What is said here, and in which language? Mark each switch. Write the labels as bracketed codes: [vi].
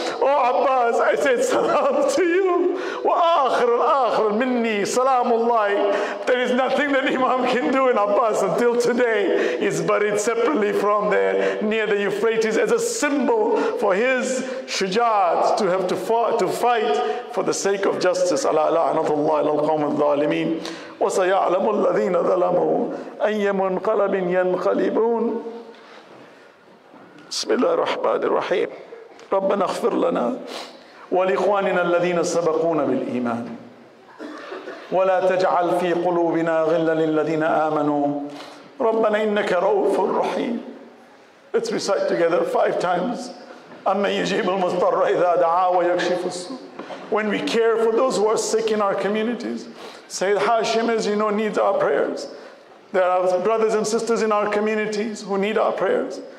[en] Oh Abbas, I say salam to you. [ar] Wa akhir minni salamullahi. [en] There is nothing that Imam can do in Abbas until today. He's buried separately from there near the Euphrates as a symbol for his shujaat to have to fight for the sake of justice. [ar] Ala la'natullahi lal qawm al-zalimin. وسيعلم الذين ظلموا أي منقلب ينقلبون. بسم الله الرحمن الرحيم. ربنا اغفر لنا ولإخواننا الذين سبقونا بالإيمان ولا تجعل في قلوبنا غلا للذين آمنوا ربنا إنك رؤوف رحيم. [en] Let's recite together 5 times. [ar] أَمَّنْ يَجِيبُ الْمُضْطَرَّ إِذَا دَعَا وَيَكْشِفُ السُّوءَ. [en] When we care for those who are sick in our communities, Sayyid Hashim, as you know, needs our prayers. There are brothers and sisters in our communities who need our prayers.